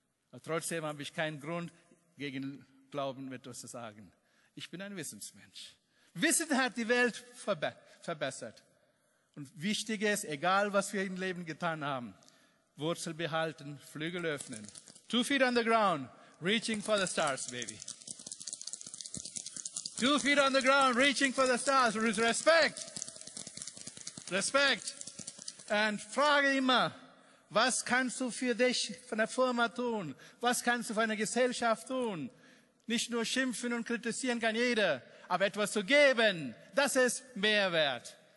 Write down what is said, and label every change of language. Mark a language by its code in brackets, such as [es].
[de] Aber trotzdem habe ich keinen Grund, gegen Glauben etwas zu sagen. Ich bin ein Wissensmensch. Wissen hat die Welt verbessert. Und wichtig ist, egal was wir im Leben getan haben, Wurzel behalten, Flügel öffnen. [en] 2 feet on the ground, reaching for the stars, baby. 2 feet on the ground, reaching for the stars. Respect. [de] Respekt. Und frage immer, was kannst du für dich von der Firma tun? Was kannst du für eine Gesellschaft tun? Nicht nur schimpfen und kritisieren kann jeder, aber etwas zu geben, das ist Mehrwert.